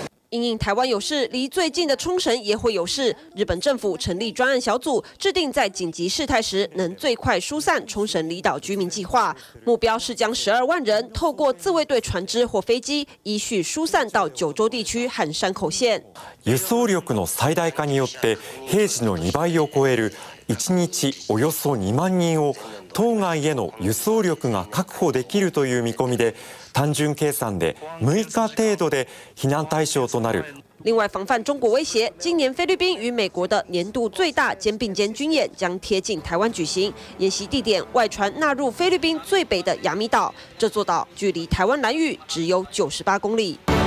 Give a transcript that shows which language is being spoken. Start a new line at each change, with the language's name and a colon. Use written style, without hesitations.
Chinese: 因应台湾有事，离最近的冲绳也会有事。日本政府成立专案小组，制定在紧急事态时能最快疏散冲绳离岛居民计划，目标是将12万人透过自卫队船只或飞机，依序疏散到九州地区和山口县。
Japanese: 輸送力の最大化によって平時の2倍を超える1日およそ2万人を島外への輸送力が確保できるという見込みで。単純計算で6日程度で避難対象となる。
Chinese: 另外，防范中国威胁，今年菲律宾与美国的年度最大肩并肩军演将贴近台湾举行，演习地点外传纳入菲律宾最北的亚米岛，这座岛距离台湾兰屿只有98公里。